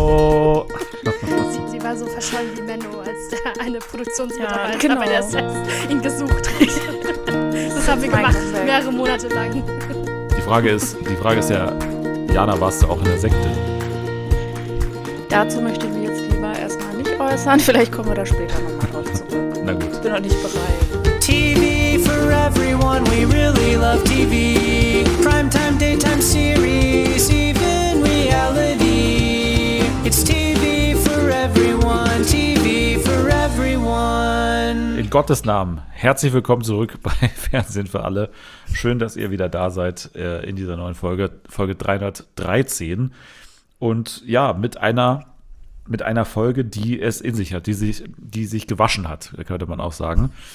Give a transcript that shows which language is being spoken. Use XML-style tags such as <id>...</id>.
<de>Sie war so verschollen wie Menno, als der eine Produktionsmitarbeiter bei der Sets ihn gesucht hat. Das haben wir gemacht, mehrere Monate lang. Die Frage ist ja, Jana, warst du auch in der Sekte? Dazu möchte ich mich jetzt lieber erstmal nicht äußern. Vielleicht kommen wir da später nochmal drauf zurück. Na gut. Ich bin noch nicht bereit.</de> <en>TV for everyone, we really love TV. Primetime, daytime series, even reality. It's TV for everyone, TV for everyone.</en> <de>In Gottes Namen, herzlich willkommen zurück bei Fernsehen für alle. Schön, dass ihr wieder da seid in dieser neuen Folge, Folge 313. Und ja, mit einer Folge, die es in sich hat, die sich gewaschen hat, könnte man auch sagen.</de>